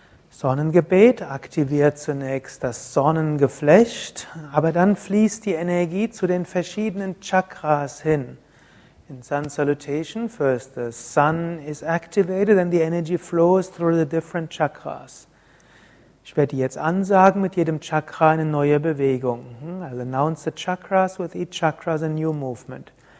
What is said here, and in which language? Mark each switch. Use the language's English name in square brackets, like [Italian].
[German] Sonnengebet aktiviert zunächst das Sonnengeflecht, aber dann fließt die Energie zu den verschiedenen Chakras hin. [English] In Sun Salutation, first the sun is activated and the energy flows through the different chakras. [German] Ich werde jetzt ansagen, mit jedem Chakra eine neue Bewegung. [English] I'll announce the chakras, with each chakra a new movement.